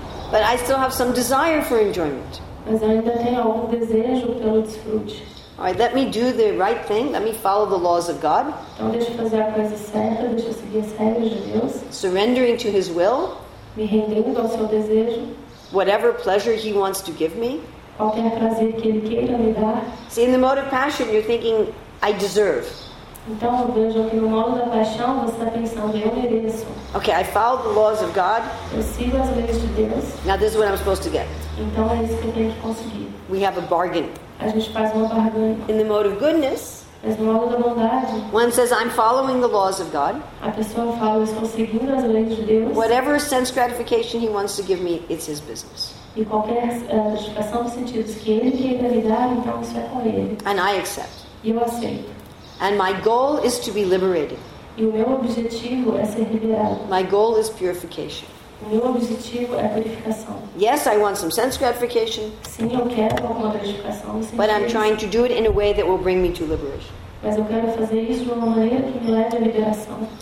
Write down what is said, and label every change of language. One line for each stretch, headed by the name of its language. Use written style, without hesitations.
English: But I still have some desire for enjoyment.
Portuguese: Mas eu ainda tenho algum desejo pelo desfrute.
English: All right, let me do the right thing. Let me follow the laws of God.
Portuguese: Então deixa eu fazer a coisa certa, deixa eu seguir as regras de Deus.
English: Surrendering to His will.
Portuguese: Me rendendo ao seu desejo.
English: Whatever pleasure He wants to give me.
Portuguese: Qualquer prazer que ele queira me dar.
English: See, in the mode of passion, you're thinking, I deserve.
Portuguese: Então, eu vejo que no modo da paixão, você está pensando, eu mereço.
English: Okay, I follow the laws of God.
Portuguese: Eu sigo as leis de Deus.
English: Now, this is what I'm supposed to get.
Portuguese: Então, é isso que eu tenho que conseguir.
English: We have a bargain.
Portuguese: A gente faz uma barganha.
English: In the mode of goodness.
Portuguese: Mas no alvo da bondade.
English: One says, I'm following the laws of God.
Portuguese: A pessoa fala, estou seguindo as leis de Deus.
English: Whatever sense gratification he wants to give me, it's his business.
Portuguese: E qualquer justificação dos sentidos que ele queira me dar, então isso é com ele.
English: And I accept.
Portuguese: E eu aceito.
English: And my goal is to be liberated.
Portuguese: E o meu objetivo é ser liberado.
English: My goal is purification.
Portuguese: O meu objetivo é purificação.
English: Yes, I want some sense gratification.
Portuguese: Sim, eu quero alguma gratificação.
English: But I'm trying to do it in a way that will bring me to liberation.
Portuguese: Mas eu quero fazer isso de uma maneira que me leve à liberação.